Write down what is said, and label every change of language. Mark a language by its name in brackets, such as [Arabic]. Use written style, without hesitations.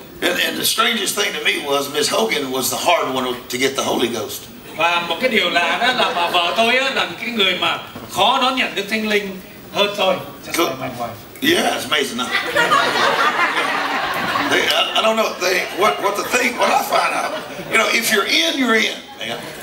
[English] And the strangest thing to me was Miss Hogan was the hard one to get the Holy Ghost. [Vietnamese] Và một cái điều lạ đó là bà vợ tôi á là cái người mà khó đón nhận Đức Thánh Linh hơn tôi. [English] Yeah, it's amazing. I don't know they, what the thing, what I find out, you know, if you're in, you're in, man.